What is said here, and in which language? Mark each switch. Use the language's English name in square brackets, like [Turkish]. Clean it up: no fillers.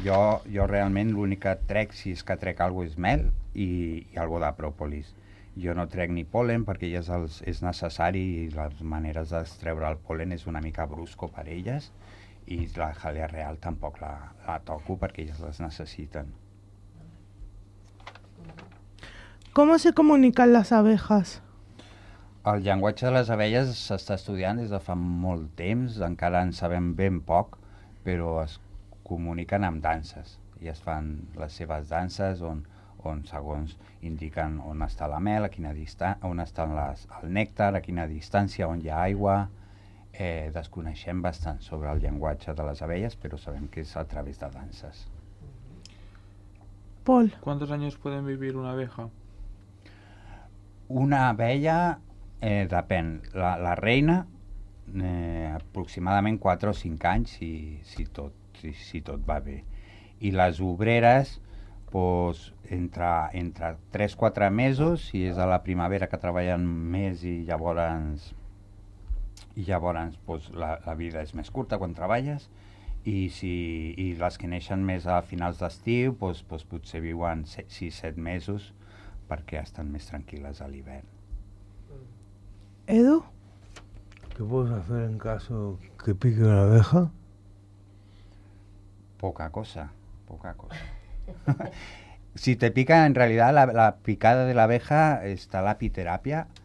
[Catalan] Jo realment l'únic que trec, si és que trec alguna cosa, és mel i alguna cosa de pròpolis. Jo no trec ni polen perquè ja és necessari, i les maneres d'extreure el polen és una mica brusco per elles, i la jalea real tampoc la toco perquè elles les necessiten. [Spanish] ¿Cómo se comunican las abejas? [Catalan] El llenguatge de les abelles s'està estudiant des de fa molt temps, encara en sabem ben poc, però es comuniquen amb danses, i es fan les seves danses on, on segons indiquen on està la mel, a quina distància, on estan les, el nèctar, a quina distància, on hi ha aigua. Desconeixem bastant sobre el llenguatge de les abelles, però sabem que és a través de danses. Pol. [Spanish] ¿Cuántos años pueden vivir una abeja? [Catalan] Una abella, depèn. La reina, aproximadament 4 o 5 anys, si tot va bé. I les obreres, doncs, entre 3-4 mesos, si és a la primavera que treballen més i llavors doncs, la vida és més curta quan treballes, i les que neixen més a finals d'estiu, doncs potser viuen 6-7 mesos perquè estan més tranquil·les a l'hivern. Edu? [Spanish] ¿Qué puedes hacer en caso que pique una abeja? [Catalan] Poca cosa, poca cosa. [Spanish] Si te pica, en realidad la picada de la abeja está la apiterapia.